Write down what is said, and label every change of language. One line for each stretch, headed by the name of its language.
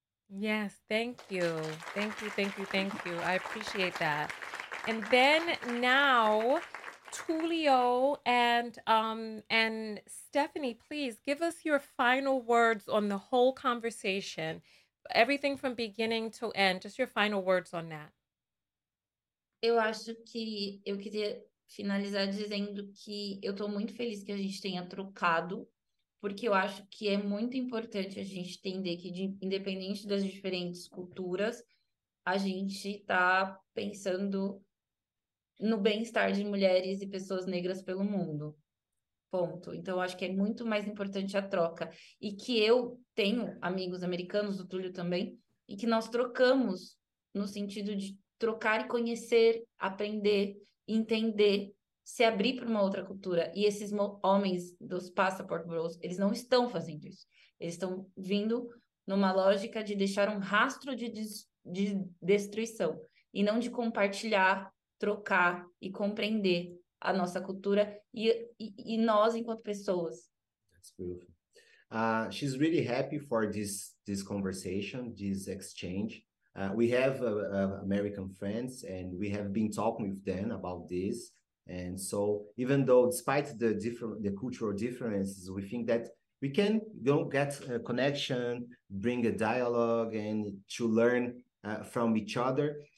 English: Yes, thank you. Thank you, thank you, thank you. I appreciate that. And then now, Tulio and Stephanie, please give us your final words on the whole conversation, everything from beginning to end, just your final words on that.
Portuguese: Eu acho que eu queria finalizar dizendo que eu estou muito feliz que a gente tenha trocado, porque eu acho que é muito importante a gente entender que, independente das diferentes culturas, a gente está pensando no bem-estar de mulheres e pessoas negras pelo mundo. Ponto. Então, acho que é muito mais importante a troca. E que eu tenho amigos americanos, o Túlio também, e que nós trocamos no sentido de trocar e conhecer, aprender, entender, se abrir para uma outra cultura. E esses homens dos Passport Bros, eles não estão fazendo isso. Eles estão vindo numa lógica de deixar um rastro de destruição e não de compartilhar, trocar e compreender a nossa cultura e nós enquanto pessoas.
English: That's beautiful. She's really happy for this conversation, this exchange. We have American friends, and we have been talking with them about this. And so, even though, despite the cultural differences, we think that we can get a connection, bring a dialogue, and to learn from each other.